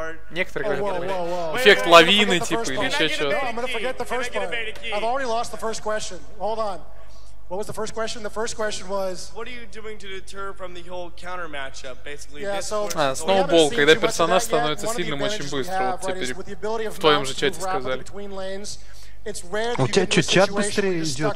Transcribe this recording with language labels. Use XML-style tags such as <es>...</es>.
<ru>Некоторые говорят, эффект лавины, типа, или еще что-то.</ru> <en>What was the first question? The first question was... What are you doing to deter from the whole counter matchup, basically? Yeah, so...</en> <ru>Snowball, когда персонаж становится сильным очень быстро, вот теперь в твоем же чате сказали. У тебя что, чат быстрее идет?</ru>